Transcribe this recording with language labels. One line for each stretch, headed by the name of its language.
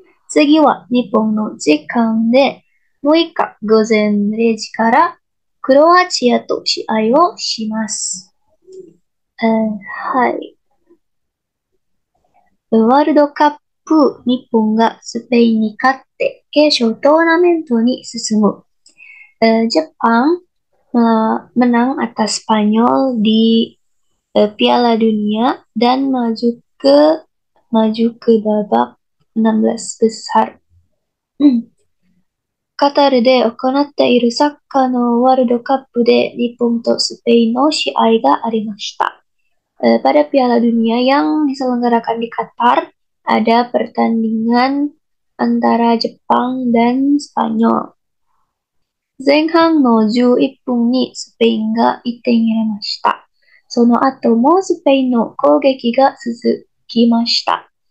Japanese: 次は日本の時間で6日午前0時からクロアチアと試合をします。はい。ワールドカップ日本がスペインに勝って決勝トーナメントに進む。
Indonesian: ジャパン、menang atas Spanyol di Piala Dunia dan maju ke babak 16 besar.
Japanese: カタールで行っているサッカーのワールドカップで日本とスペインの試合がありました。
Indonesian: Pada Piala Dunia yang diselenggarakan di Qatar, ada pertandingan antara Jepang dan Spanyol.
Japanese: 前半の11分にスペインが1点入れました。その後もスペインの攻撃が続きました。